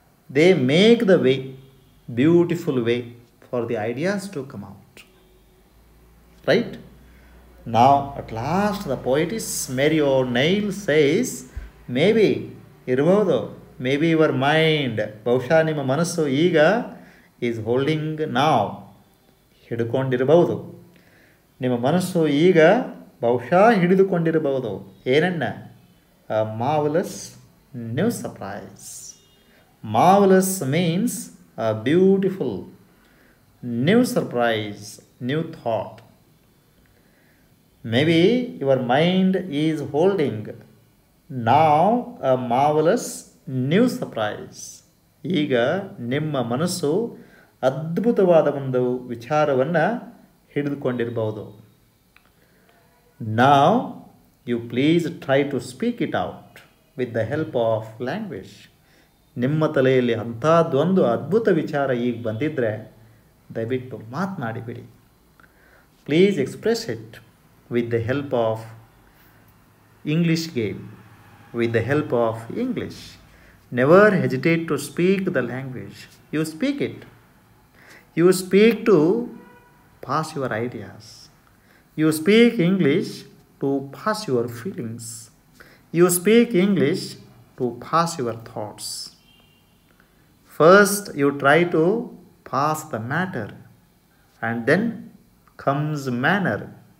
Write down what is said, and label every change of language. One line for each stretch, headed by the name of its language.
English: They make the way, beautiful way, for the ideas to come out. Right? Now, at last, the poetess Mary O'Neill says, maybe, irubodu, maybe your mind,
Kannada: bausha nimma manasu iga,
English: is holding now.
Kannada: ಹಿಡ್ಕೊಂಡಿರಬಹುದು ನಿಮ್ಮ ಮನಸ್ಸು ಈಗ, ಬಹುಶಃ ಹಿಡಿದುಕೊಂಡಿರಬಹುದು ಏನನ್ನ?
English: Marvellous new surprise. Marvellous means a beautiful new surprise, new thought. Maybe your mind is holding now a marvellous new surprise.
Kannada: ಈಗ ನಿಮ್ಮ ಮನಸ್ಸು ಅದ್ಭುತವಾದ ಒಂದು ವಿಚಾರವನ್ನು ಹಿಡಿದುಕೊಂಡಿರಬಹುದು.
English: Now you please try to speak it out with the help of language.
Kannada: ನಿಮ್ಮ ತಲೆಯಲ್ಲಿ ಅಂಥದ್ದೊಂದು ಅದ್ಭುತ ವಿಚಾರ ಈಗ ಬಂದಿದ್ದರೆ ದಯವಿಟ್ಟು ಮಾತನಾಡಿಬಿಡಿ.
English: Please express it with the help of English game, with the help of English. Never hesitate to speak the language you speak it. You speak to pass your ideas. You speak English to pass your feelings. You speak English to pass your thoughts. First, you try to pass the matter, and then comes manner.